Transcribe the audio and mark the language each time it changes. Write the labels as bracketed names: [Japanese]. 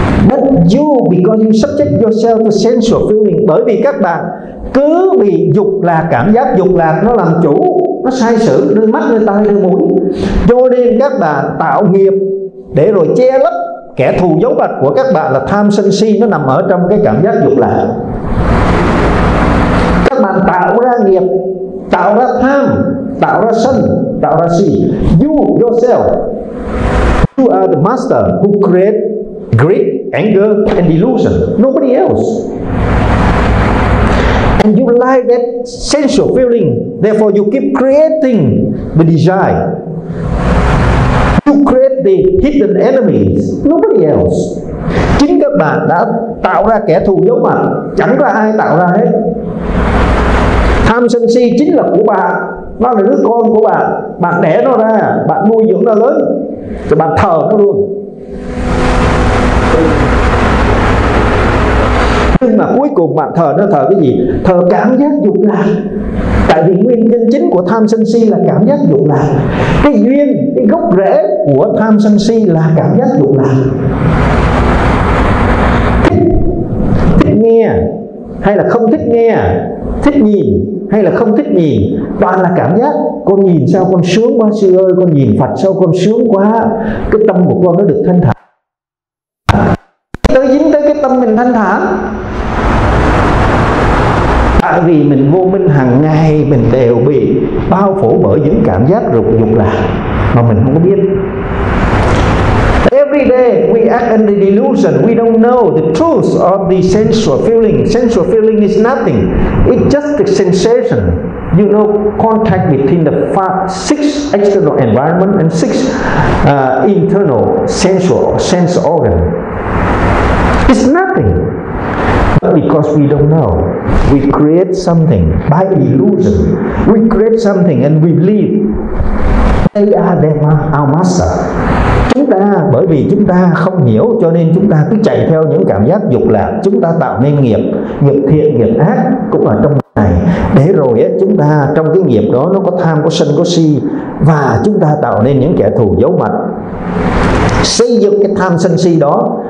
[English] But you, because you subject yourself to sensual feeling, [Vietnamese] bởi vì các bạn cứ bị dục là cảm giác dục lạc nó làm chủ, nó sai sử nơi mắt, nơi tai, nơi mũi, cho nên các bạn tạo nghiệp để rồi che lấp kẻ thù giấu mặt của các bạn là tham sân si, nó nằm ở trong cái cảm giác dục lạc. Các bạn tạo ra nghiệp, tạo ra tham, tạo ra sân, tạo ra si. [English] You yourself, you are the master who create greed, anger and delusion, nobody else. And you like that sensual feeling, therefore you keep creating the desire. You create the hidden enemies. Nobody else. [Vietnamese] Chính các bạn đã tạo ra kẻ thù giấu mặt, chẳng có ai tạo ra hết. Tham sân si chính là của bạn, nó là đứa con của bạn, bạn đẻ nó ra, bạn nuôi dưỡng nó lớn, rồi bạn thờ nó luôn. Nhưng mà cuối cùng bạn thờ nó thờ cái gì? Thờ cảm giác dục lạc. Tại vì nguyên nhân chính của tham sân si là cảm giác dục lạc. Cái duyên, cái gốc rễ của tham sân si là cảm giác dục lạc. Thích nghe hay là không thích nghe, thích nhìn hay là không thích nhìn, toàn là cảm giác. Con nhìn sao con sướng quá sư ơi, con nhìn Phật sao con sướng quá, cái tâm của con nó được thanh thản. Tới dính tới cái tâm mình thanh thản, tại vì mình vô minh hàng ngày, mình đều bị bao phủ bởi những cảm giác rụt rụt lạc mà mình không có biết. [English] Every day we act in the delusion. We don't know the truth of the sensual feeling. Sensual feeling is nothing. It's just the sensation. You know, contact between the five, six external environment and six internal sensual sense organ. It's nothing. But because we don't know, we create something by illusion. We create something and we believe they are them, our master. [Vietnamese] Chúng ta, bởi vì chúng ta không hiểu cho nên chúng ta cứ chạy theo những cảm giác dục lạc. Chúng ta tạo nên nghiệp, nghiệp thiện, nghiệp ác cũng ở trong này. Để rồi ấy, chúng ta trong cái nghiệp đó nó có tham, có sân, có si. Và chúng ta tạo nên những kẻ thù giấu mặt, xây dựng cái tham sân si đó.